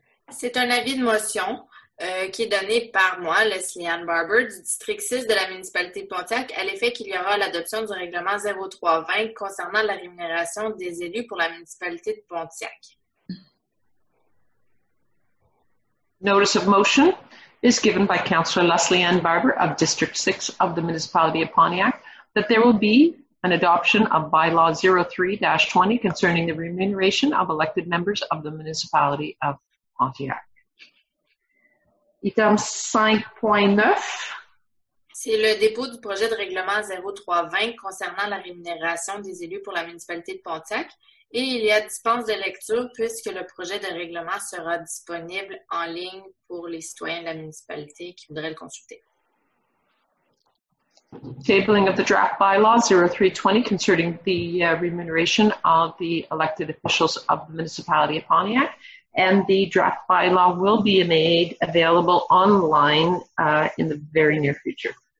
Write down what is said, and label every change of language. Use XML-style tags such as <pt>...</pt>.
<fr>C'est un avis de motion qui est donné par moi, Leslie Ann Barber, du district 6 de la municipalité de Pontiac, à l'effet qu'il y aura l'adoption du règlement 0320 concernant la rémunération des élus pour la municipalité de Pontiac.</fr> <en>Notice of motion is given by Councillor Leslie Ann Barber of District 6 of the Municipality of Pontiac that there will be an adoption of Bylaw 03-20 concerning the remuneration of elected members of the Municipality of Pontiac. Item 5.9.</en> <fr>C'est le dépôt du projet de règlement 0320 concernant la rémunération des élus pour la Municipalité de Pontiac. Et il y a dispense de lecture puisque le projet de règlement sera disponible en ligne pour les citoyens de la municipalité qui voudraient le consulter.</fr> <en>Tabling of the draft bylaw 0320 concerning the remuneration of the elected officials of the municipality of Pontiac. And the draft bylaw will be made available online in the very near future.</en>